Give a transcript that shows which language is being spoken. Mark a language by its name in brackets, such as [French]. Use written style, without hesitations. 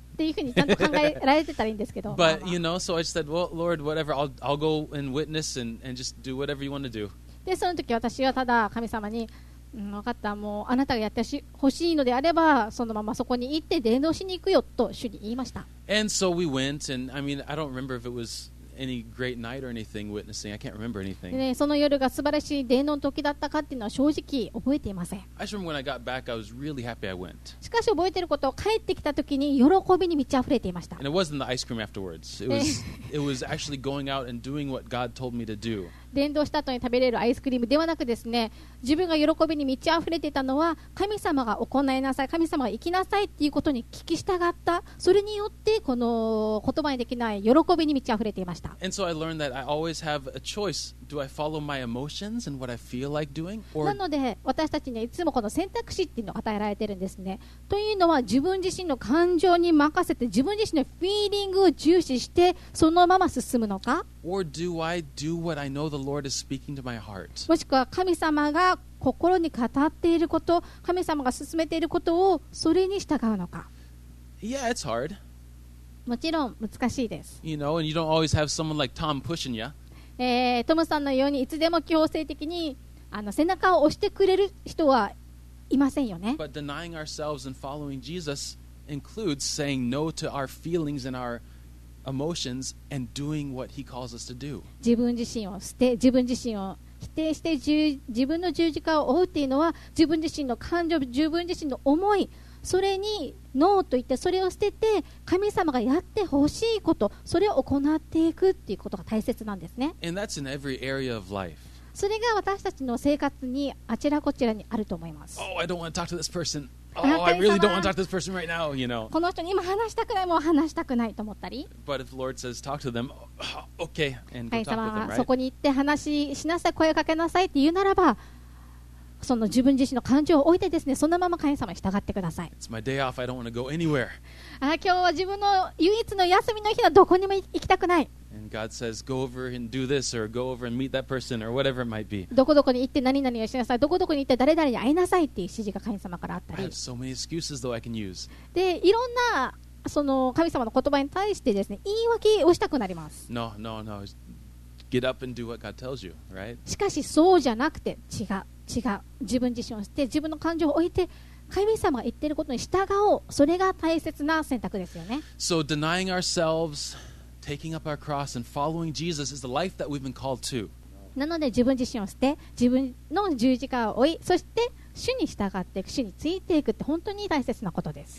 [Japanese] っていうふうにちゃんと考えられてたらいいんですけど。 [English] But you know, so I just said, well, Lord, whatever, I'll go and witness and just do whatever you want to do. [Japanese] でその時私はただ神様に、分かった、もうあなたがやってほしいのであればそのままそこに行って伝道しに行くよと主に言いました。 [English] And so we went, and I mean, I don't remember if it was any great night or anything witnessing. I can't remember anything. [Japanese] でその夜が素晴らしい伝道の時だったかっていうのは正直覚えていません。 [English] I just remember when I got back, I was really happy I went. [Japanese] しかし覚えていることは帰ってきた時に喜びに満ち溢れていました。 [English] And it wasn't the ice cream afterwards. It was actually going out and doing what God told me to do. [Japanese] 伝道した後に食べれるアイスクリームではなくですね、自分が喜びに満ち溢れていたのは神様が行いなさい、神様が行きなさいっていうことに聞き従った。それによってこの言葉にできない喜びに満ち溢れていました。 [English] And so I learned that I always have a choice. Do I follow my emotions and what I feel like doing? [Japanese] なので私たちにはいつもこの選択肢っていうのが与えられてるんですね。というのは自分自身の感情に任せて自分自身のフィーリングを重視してそのまま進むのか。 [English] Or do I do what I know the Lord is speaking to my heart? [Japanese] もしくは神様が心に語っていること、神様が進めていることをそれに従うのか。 [English] Yeah, it's hard. [Japanese] もちろん難しいです。 [English] You know, and you don't always have someone like Tom pushing you. [Japanese] トムさんのようにいつでも強制的に背中を押してくれる人はいませんよね。 [English] But denying ourselves and following Jesus includes saying no to our feelings and our emotions and doing what he calls us to do. [Japanese] 自分自身を捨て、自分自身を否定して自分の十字架を追うっていうのは自分自身の感情、自分自身の思い、それにノーと言ってそれを捨てて神様がやってほしいこと、それを行っていくっていうことが大切なんですね。 [English] And that's in every area of life. [Japanese] それが私たちの生活にあちらこちらにあると思います。 [English] Oh, I don't want to talk to this personOh, I really don't want to talk to this person right now, you know. [Japanese] この人に今話したくない、もう話したくないと思ったり。 [English] But if the Lord says talk to them, okay, and go talk to them, right? [Japanese] そこに行って話しなさい、声をかけなさいって言うならば、その自分自身の感情を置いてですね、そのまま神様に従ってください。 [English] It's my day off. I don't want to go anywhere. [Japanese] 今日は自分の唯一の休みの日だ。どこにも行きたくない。 [English] And God says, go over and do this, or go over and meet that person, or whatever it might be. [Japanese] どこどこに行って何々をしなさい。どこどこに行って誰々に会いなさいっていう指示が神様からあったり。 [English] I have so many excuses though I can use. [Japanese] で、いろんなその神様の言葉に対してですね、言い訳をしたくなります。 [English] No, no, no. Get up and do what God tells you, right? [Japanese] しかしそうじゃなくて違う。自分自身を捨て、自分の感情を置いて。神様が言っていることに従おう。それが大切な選択ですよね。 [English] So denying ourselves, taking up our cross, and following Jesus is the life that we've been called to. [Japanese] なので自分自身を捨て、自分の十字架を追い、そして主に従っていく、主についていくって本当に大切なことです。